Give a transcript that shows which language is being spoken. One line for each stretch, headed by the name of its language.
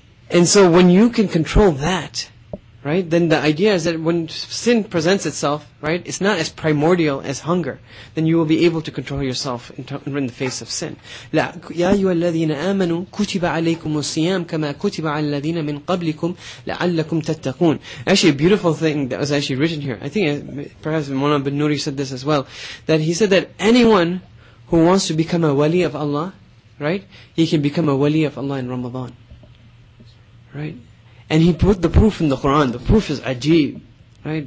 English: And so when you can control that, right, then the idea is that when sin presents itself, right, it's not as primordial as hunger, then you will be able to control yourself in the face of sin.
Arabic: لا يا أيها الذين آمنوا كتب عليكم الصيام كما كتب على الذين من قبلكم لعلكم تتقون.
English: Actually, a beautiful thing that was actually written here. I think perhaps Mawlana bin Nuri said this as well, that he said that anyone who wants to become a wali of Allah, right, he can become a wali of Allah in Ramadan, right? And he put the proof in the Quran. The proof is ajeeb, right?